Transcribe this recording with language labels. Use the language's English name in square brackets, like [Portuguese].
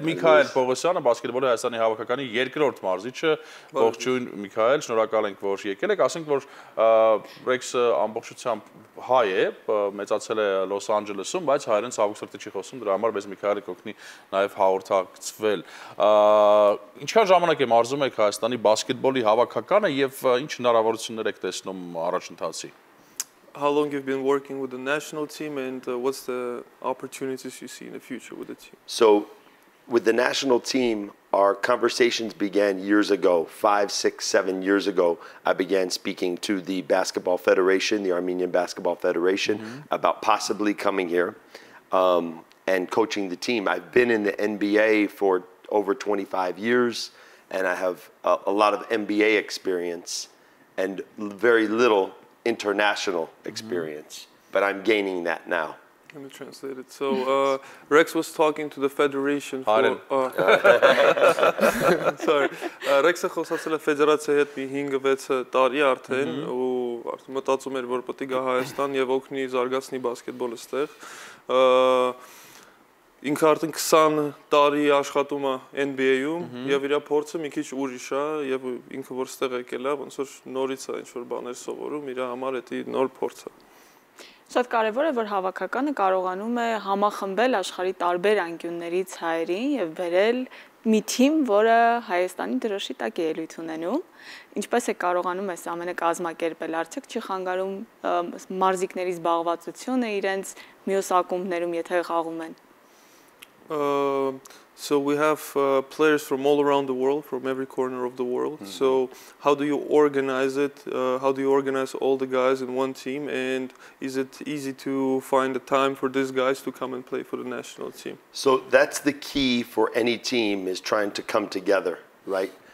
[Armenian] Միքայել Պողոսյանը, բասկետբոլի Հայաստանի հավաքականի երկրորդ մարզիչը, ողջույն Միքայել, շնորհակալ ենք, որ եկել եք, ասենք, որ Ռեքսը ամբողջությամբ հայ է, մեծացել է Լոս Անջելեսում, բայց հայերեն ցավոք սրտի չի խոսում, դրա համար մեզ Միքայելը կօգնի նաև հաղորդակցվել։ Ինչքան ժամանակ է մարզում եք Հայաստանի բասկետբոլի հավաքականը և ինչ հնարավորություններ եք տեսնում առաջընթացի։ [English] How long you've been working with the national team and what's the opportunities you see in the future with the team? So with the national team, our conversations began years ago, 5, 6, 7 years ago. I began speaking to the Basketball Federation, the Armenian Basketball Federation, mm-hmm. about possibly coming here and coaching the team. I've been in the NBA for over 25 years, and I have a lot of NBA experience and very little international experience, mm-hmm. but I'm gaining that now. Let me translate it. So Ռեքս was talking to the Federation for sorry. [Armenian] Ռեքսը խոսացել է ֆեդերացիայի հետ մի 5-6 տարի արդեն ու արդեն մտածում էր, որ պետք է Հայաստան եւ օգնի զարգացնի բասկետբոլը ստեղ։ Ինքը արդեն 20 տարի աշխատում է NBA-ում եւ իր փորձը մի քիչ ուրիշ է եւ ինքը որ ստեղ եկել է, ոնց որ նորից է ինչ որ բաներ սովորում, իր համար էտի նոր փորձը։ Շատ կարևոր է, որ հավաքականը կարողանում է համախմբել աշխարհի տարբեր անկյուններից հայերին եւ վերել մի թիմ, որը Հայաստանի դրոշի տակ է ելույթ ունենում։ Ինչպես է կարողանում այս ամենը կազմակերպել, արդյոք չի խանգարում մարզիկների զբաղվածությունը իրենց մյուս ակումբներում, եթե խաղում են։ [English] So we have players from all around the world, from every corner of the world. Mm-hmm. So how do you organize it? How do you organize all the guys in one team? And is it easy to find the time for these guys to come and play for the national team? So that's the key for any team, is trying to come together, right?